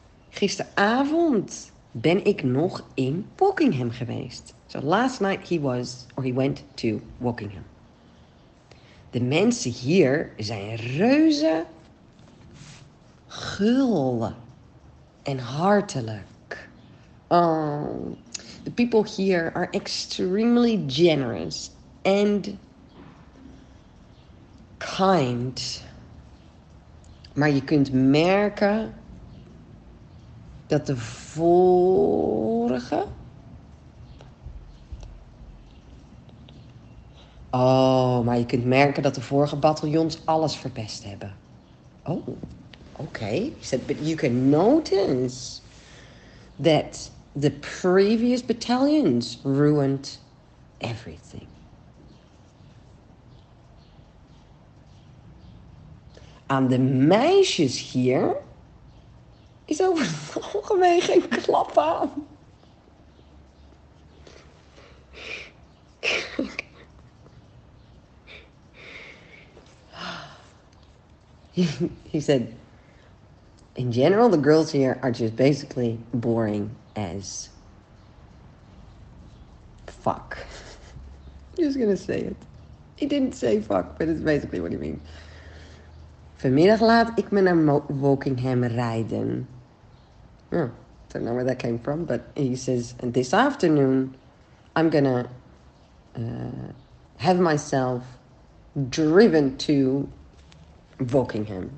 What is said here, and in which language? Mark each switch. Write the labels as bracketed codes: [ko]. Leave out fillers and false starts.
[nl] Gisteravond ben ik nog in Wokingham geweest. [en] So last night he went to Wokingham. [nl] De mensen hier zijn reuze gul. En hartelijk. [en] The people here are extremely generous and kind. [nl] Maar je kunt merken dat de vorige. Oh, maar je kunt merken dat de vorige bataljons alles verpest hebben. [en] Oh, okay. He said, but you can notice that the previous battalions ruined everything. [nl] Aan de meisjes hier is over het algemeen geen klap aan. [en] He said, in general, the girls here are just basically boring as fuck. Just gonna say it. He didn't say fuck, but it's basically what he means. [nl] Vanmiddag laat ik me naar Wokingham rijden. [en] Oh, don't know where that came from, but he says, this afternoon, I'm gonna have myself driven to Wokingham.